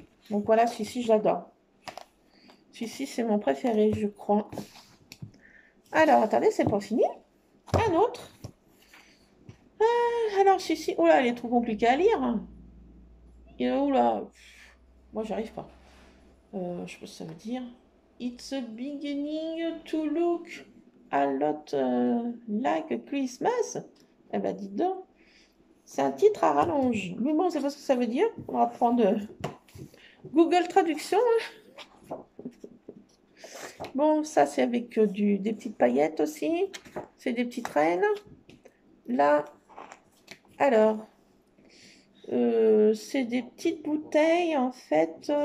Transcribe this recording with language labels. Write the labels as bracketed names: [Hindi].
[French] Donc voilà, celui-ci, j'adore. Celui-ci, c'est mon préféré, je crois. Alors, attendez, c'est pas fini. Un autre. Alors, celui-ci. Oh là, il est trop compliqué à lire. Hein. Il est où là? Moi, j'y arrive pas. Je sais pas ce que ça veut dire. [English] It's a beginning to look a lot like Christmas. [French] Eh ben, dites donc. C'est un titre à rallonge. Mais bon, c'est pas ce que ça veut dire. On va prendre Google Traduction. Hein. Bon, ça c'est avec des petites paillettes aussi. C'est des petites reines. Là, alors, c'est des petites bouteilles en fait.